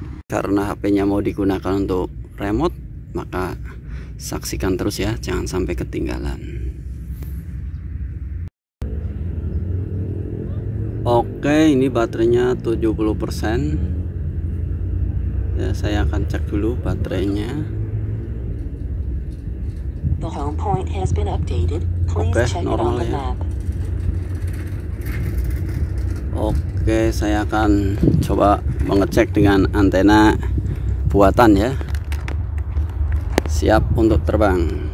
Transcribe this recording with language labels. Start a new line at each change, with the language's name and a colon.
Indonesian: Karena HP-nya mau digunakan untuk remote, maka saksikan terus ya, jangan sampai ketinggalan. Oke, ini baterainya 70%. Ya, saya akan cek dulu baterainya.
English: The home point has been updated.
Indonesian: Oke, normal ya. Oke, saya akan coba mengecek dengan antena buatan ya. Siap untuk terbang.